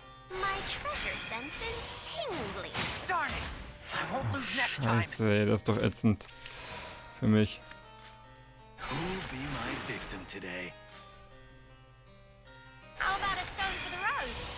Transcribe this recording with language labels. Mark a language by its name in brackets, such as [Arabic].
[English] My treasure sense is tingling. Darn it! I won't lose next time. [German] Scheiße, ey, das ist doch ätzend für mich. [English] Who'll be my victim today? How about a stone for the road?